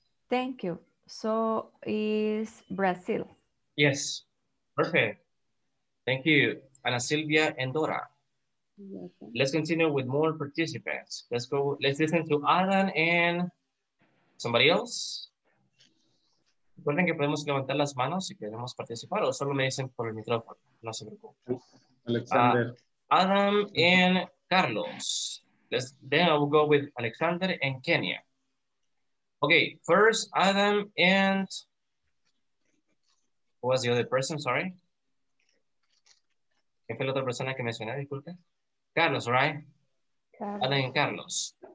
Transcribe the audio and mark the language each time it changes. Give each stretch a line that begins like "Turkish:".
English: Thank you. So is Brazil. Yes. Perfect. Thank you, Ana Silvia and Dora. Let's continue with more participants. Let's go, let's listen to Alan and somebody else.
Spanish: Recuerden que podemos levantar las manos si queremos participar o solo me dicen por el micrófono, no se preocupen.
English: Alexander. Adam and Carlos. Then I will go with Alexander and Kenya. Okay, first Adam and Who was the other person? Sorry.
Spanish: ¿Quién fue la otra persona que mencioné? Disculpe. Carlos, right? Carlos. Adam and Carlos.